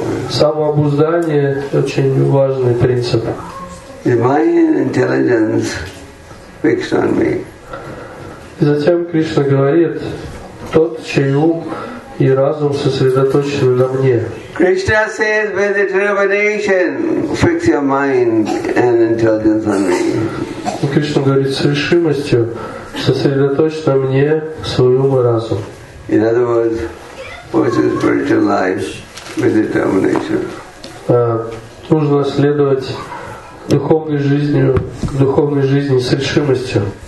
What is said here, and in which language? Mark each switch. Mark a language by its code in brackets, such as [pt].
[ru] Самообуздание – очень важный принцип. И затем Кришна говорит, тот, чей ум и разум сосредоточены на мне. [en] Krishna says, by the determination, fix your mind and intelligence on me. [ru] Кришна говорит, с решимостью сосредоточь на мне свой ум и разум. [en] In other words, what is spiritual life with determination? [ru] Нужно следовать духовной жизни, с решимостью.